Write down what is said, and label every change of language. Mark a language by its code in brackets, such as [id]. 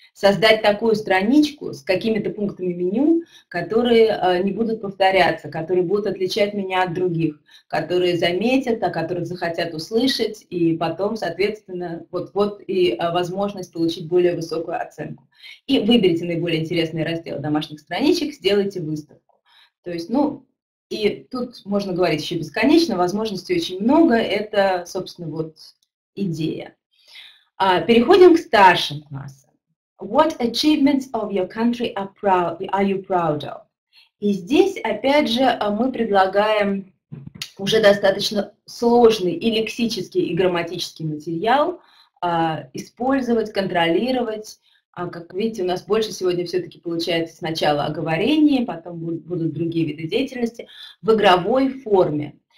[ru] Создать такую страничку с какими-то пунктами меню, которые не будут повторяться, которые будут отличать меня от других, которые заметят, о которых захотят услышать, и потом, соответственно, вот-вот и возможность получить более высокую оценку. И выберите наиболее интересные разделы домашних страничек, сделайте выставку. То есть, ну, и тут можно говорить еще бесконечно, возможностей очень много, это, собственно, вот идея. Переходим к старшим классам. [en] What achievements of your country are you proud of? [ru] И здесь, опять же, мы предлагаем уже достаточно сложный и лексический, и грамматический материал использовать, контролировать. Как видите, у нас больше сегодня все-таки получается сначала оговорение, потом будут другие виды деятельности, в игровой форме.